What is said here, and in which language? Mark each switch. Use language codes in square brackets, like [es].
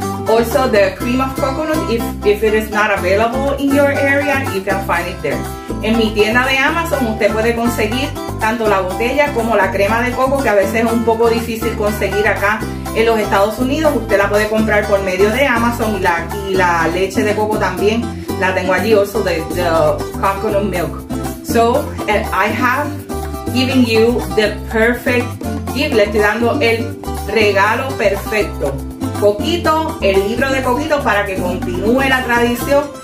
[en] Also, the cream of coconut, if it is not available in your area, you can find it there. [es] En mi tienda de Amazon, usted puede conseguir tanto la botella como la crema de coco, que a veces es un poco difícil conseguir acá en los Estados Unidos. Usted la puede comprar por medio de Amazon, y la leche de coco también la tengo allí. [en] Also, the coconut milk. So, I have given you the perfect gift. [es] Le estoy dando el regalo perfecto. Coquito, el libro de Coquito, para que continúe la tradición.